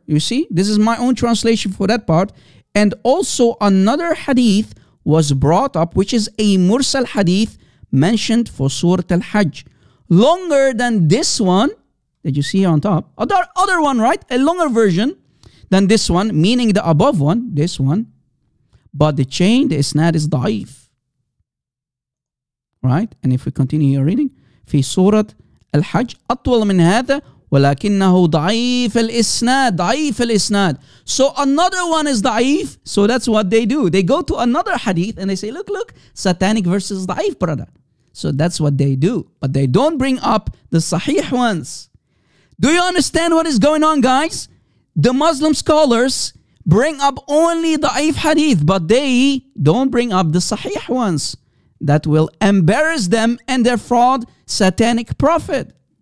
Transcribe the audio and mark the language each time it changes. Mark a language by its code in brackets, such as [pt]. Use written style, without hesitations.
[en] You see, this is my own translation for that part. And also another hadith was brought up, which is a mursal hadith mentioned for Surah Al-Hajj. Longer than this one that you see here on top. Other one, right? A longer version than this one, meaning the above one, this one. But the chain, the isnad is da'if. Right? And if we continue here reading, [ar] في سورة الحج أطول من هذا ولكنه ضعيف الإسناد ضعيف الإسناد. [en] So another one is da'if. So that's what they do. They go to another hadith and they say, look, look, satanic verses da'if, brother. So that's what they do. But they don't bring up the sahih ones. Do you understand what is going on, guys? The Muslim scholars bring up only the da'if hadith, but they don't bring up the sahih ones that will embarrass them and their fraud, satanic prophet.